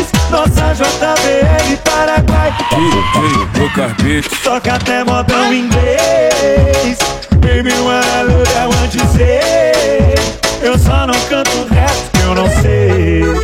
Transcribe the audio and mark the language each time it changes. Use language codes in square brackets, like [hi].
[pt] Nossa JBL Paraguai, Pocarbete, toca até modão inglês. [en] Baby, what I love, I want to say. [pt] Eu só não canto o resto que eu não sei.